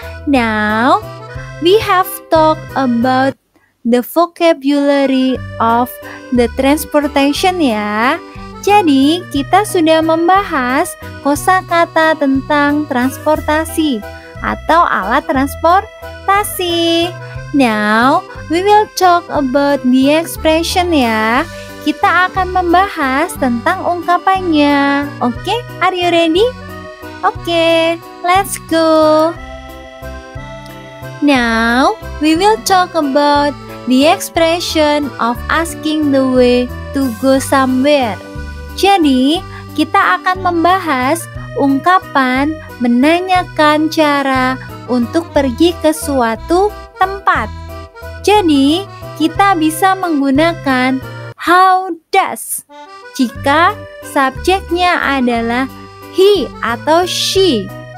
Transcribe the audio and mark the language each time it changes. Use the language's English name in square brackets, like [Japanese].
[English] Now, we have talked about the vocabulary of the transportation ya. [Indonesian] Jadi, kita sudah membahas kosakata tentang transportasi atau alat transportasi. [English] Now, we will talk about the expression ya. [Indonesian] Kita akan membahas tentang ungkapannya. [English] Oke, okay, are you ready? Oke, okay, let's go. Now, we will talk about the expression of asking the way to go somewhere. [Indonesian] Jadi, kita akan membahas ungkapan menanyakan cara untuk pergi ke suatu tempat. Jadi, kita bisa menggunakan how does jika subjeknya adalah he atau she.